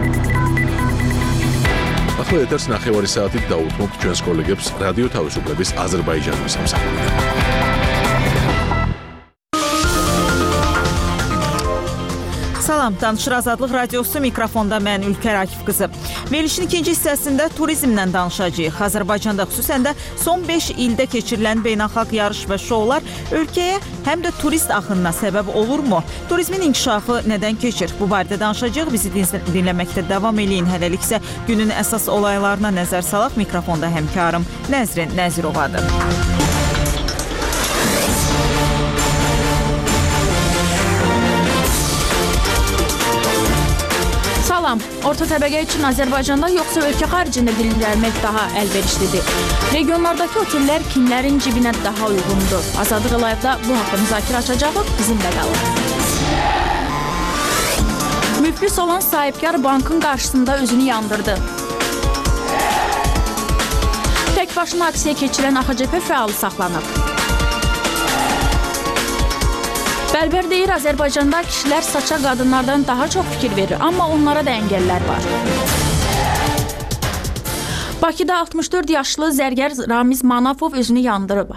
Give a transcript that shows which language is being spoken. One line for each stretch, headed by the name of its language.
Georgian: ახლა ეთერს 9:00 საათით დაუთმობთ ჩვენს კოლეგებს რადიო თავისუფლების აზერბაიჯანის სამსახურიდან.
Azerbaijani: Salam, Danışır Azadlıq Radiosu mikrofonda mən Ülker Akif qızı. Verilişin ikinci hissəsində turizmlə danışacağıq. Azərbaycanda xüsusən də son 5 ildə keçirilən beynəlxalq yarış və şoular ölkəyə həm də turist axınına səbəb olurmu? Turizmin inkişafı nədən keçir? Bu barədə danışacağıq. Bizi dinləməkdə davam eləyin. Hələlik isə günün əsas olaylarına nəzər salaq. Mikrofonda həmkarım Nəzrin Nəzirovadır. Orta təbəqə üçün Azərbaycanda yoxsa ölkə xaricində dilləmək daha əlverişlidir. Regionlardakı otellər kimlərin cibinə daha uyğundur? Azadlıq Live-da bu haqqı müzakirə açacağıq, bizimlə qalın. Müflis olan sahibkar bankın qarşısında özünü yandırdı. Tək başına aksiyaya keçirən AXCP fəalı saxlanıb. Bəlbər deyir, Azərbaycanda kişilər saça qadınlardan daha çox fikir verir, amma onlara da əngəllər var. Bakıda 64 yaşlı zərgər Ramiz Manafov özünü yandırıb.